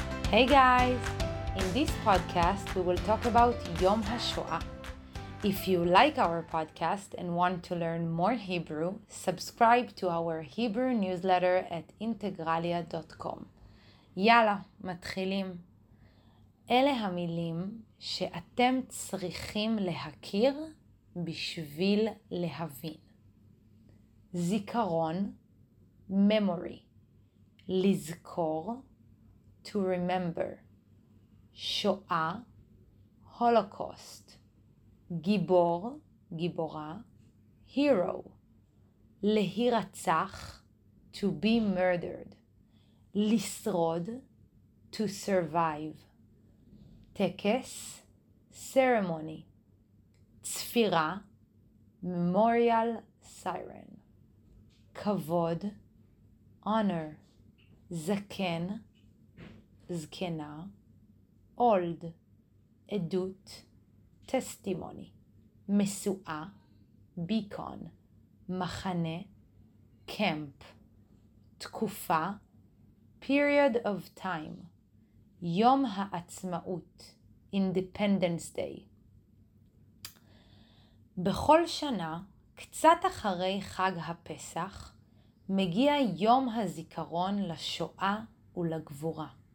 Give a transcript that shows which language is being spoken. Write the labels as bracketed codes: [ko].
[en] Hey guys! In this podcast, we will talk about Yom Hashoah. If you like our podcast and want to learn more Hebrew, subscribe to our Hebrew newsletter at integralia.com. [he] יאללה, מתחילים. אלה המילים שאתם צריכים להכיר בשביל להבין. זיכרון, [en] memory. [he] לזכור, [en] to remember. [he] שואה, [en] holocaust. [he] גיבור, גיבורה, [en] hero. [he] להירצח, [en] to be murdered. [he] לשרוד, [en] to survive. [he] טקס, [en] ceremony. [he] צפירה, [en] memorial siren. [he] כבוד, [en] honor. [he] זקן, זקנה, [en] old. [he] עדות, [en] testimony. [he] משואה, [en] beacon. [he] מחנה, [en] camp. [he] תקופה, [en] period of time. [he] יום העצמאות, [en] independence day. [he] בכל שנה, קצת אחרי חג הפסח, מגיע יום הזיכרון לשואה ולגבורה.